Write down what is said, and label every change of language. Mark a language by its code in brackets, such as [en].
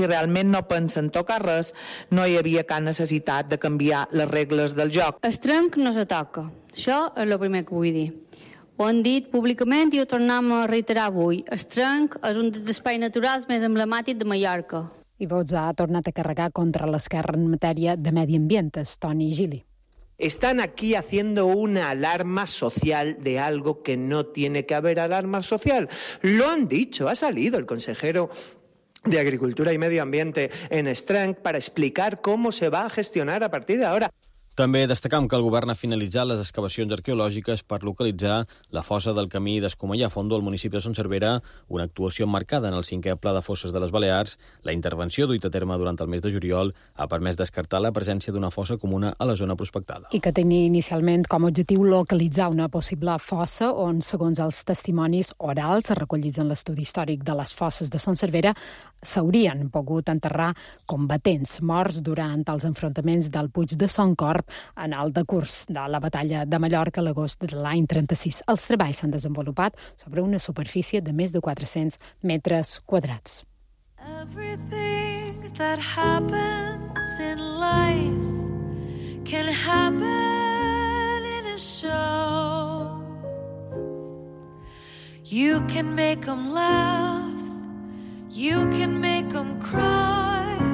[ca] Si realment no pensen tocar res, no hi havia cap necessitat de canviar les regles del joc. [es] Estrenc no se toca. [ca] Això és el primer que vull dir. Ho han dit públicament i ho tornem a reiterar avui. Estrenc és un dels espais naturals més emblemàtics de Mallorca. I Vox ha tornat a carregar contra l'esquerra en matèria de medi ambient, Toni Gili. [es] Están aquí haciendo una alarma social de algo que no tiene que haber alarma social. Lo han dicho, ha salido el consejero de Agricultura y Medio Ambiente en Estrenc para explicar cómo se va a gestionar a partir de ahora. [ca] També destacam que el govern ha finalitzat les excavacions arqueològiques per localitzar la fossa del camí d'Escomellà a Fondo al municipi de Son Cervera, una actuació marcada en el cinquè pla de fosses de les Balears. La intervenció duita a terme durant el mes de juliol ha permès descartar la presència d'una fossa comuna a la zona prospectada. I que tenia inicialment com a objectiu localitzar una possible fossa on, segons els testimonis orals recollits en l'estudi històric de les fosses de Son Cervera, s'haurien pogut enterrar combatents morts durant els enfrontaments del Puig de Son Cor en el decurs de la batalla de Mallorca l'agost de l'any 36. Els treballs s'han desenvolupat sobre una superfície de més de 400 metres quadrats. [en] Everything that happens in life can happen in a show. You can make them laugh, you can make them cry.